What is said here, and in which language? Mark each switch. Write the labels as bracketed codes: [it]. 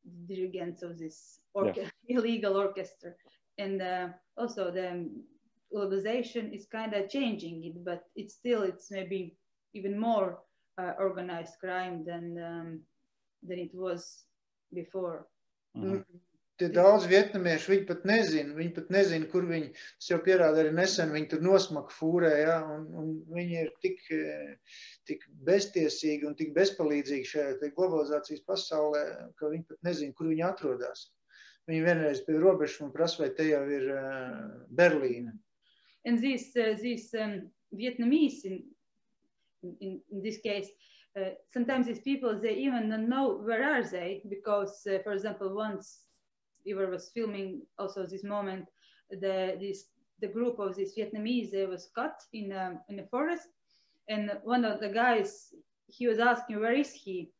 [en] dirigents of this illegal orchestra, and also the globalization is kind of changing it, but it's maybe even more organized crime than it was before. [lv] Tie daudz vietnamieši, viņi pat nezin, kur viņi, es jau pierādu arī nesen, viņi tur nosmaka fūrē, ja, un viņi ir tik beztiesīgi un tik bezpalīdzīgi šajā globalizācijas pasaulē, ka viņi pat nezin, kur viņi atrodas. Viņi vienreiz pie robežas un prasa, vai te jau ir Berlīna. [en] And these Vietnamese in this case, sometimes these people, they even don't know where are they, because, for example, once Ivar was filming also this moment, the group of these Vietnamese, they was cut in a forest, and one of the guys, he was asking, where is he?